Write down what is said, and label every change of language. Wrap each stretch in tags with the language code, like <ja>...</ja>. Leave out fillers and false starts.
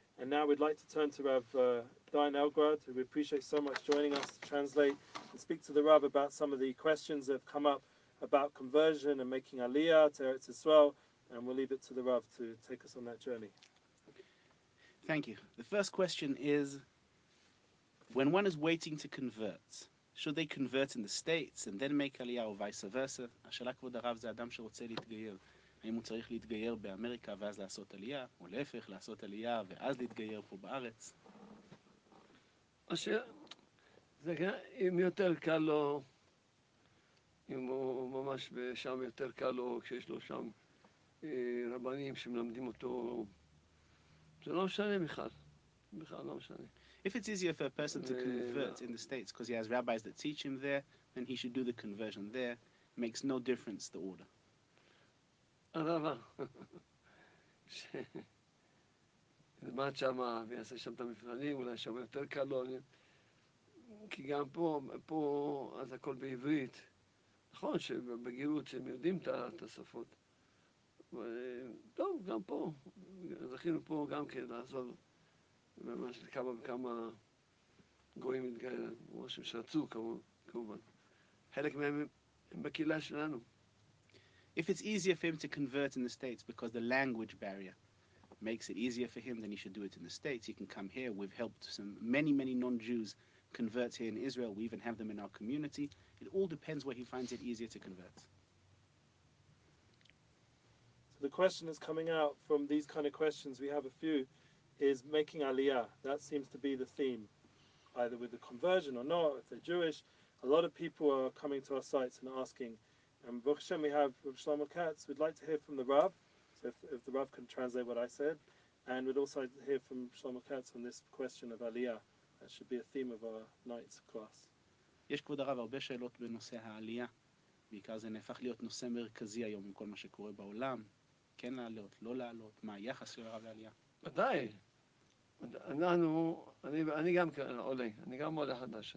<en>And now we'd like to turn to Rav Dayan Elgrad, who we appreciate so much joining us to translate and speak to the Rav about some of the questions that have come up about conversion and making Aliyah to Eretz Yisrael, and we'll leave it to the Rav to take us on that journey. Thank you. The first question is, when one is waiting to convert, should they convert in the States and then make Aliyah or vice versa?</en> <he>השאלה כבוד הרב זה אדם שרוצה להתגייר. האם הוא צריך להתגייר באמריקה ואז לעשות עלייה, או להפך, לעשות עלייה ואז להתגייר פה בארץ? אשר, זה, אם יותר קל לו, אם הוא ממש שם יותר קל לו, כשיש לו שם רבנים שמלמדים אותו, זה לא משנה בכלל, לא משנה. If it's easier for a person to convert in the States, because he has rabbis that teach him there, then he should do the conversion there. It makes no difference the order. הרבה, שלמד שמה ויעשה שם את המבחנים, אולי שם יותר קל לו, כי גם פה אז הכל בעברית. נכון שבגירות שהם יודעים את השפות. טוב, גם פה, זכינו פה גם כן לעזור ממש כמה וכמה גויים התגיירו, ראשים שרצו כמובן. חלק מהם הם בקהילה שלנו.</he> <en>If it's easier for him to convert in the States because the language barrier makes it easier for him, then he should do it in the States. He can come here. We've helped many non-Jews convert here in Israel. We even have them in our community. It all depends where he finds it easier to convert. So the question is coming out from these kind of questions. We have a few. Is making Aliyah. That seems to be the theme, either with the conversion or not. If they're Jewish, a lot of people are coming to our sites and asking. And Baruch Hashem, we have Rav Shlomo Katz. We'd like to hear from the Rav, so if the Rav can translate what I said. And we'd also hear from Shlomo Katz on this question of Aliyah. That should be a theme of our night's class.</en> <he>יש כבוד הרב הרבה שאלות בנושא העלייה, בעיקר זה נהפך להיות נושא מרכזי היום עם כל מה שקורה בעולם. כן לעלות, לא לעלות, מה היחס של הרב לעלייה? ודאי. אני גם עולה, אני גם עולה חדש.</he>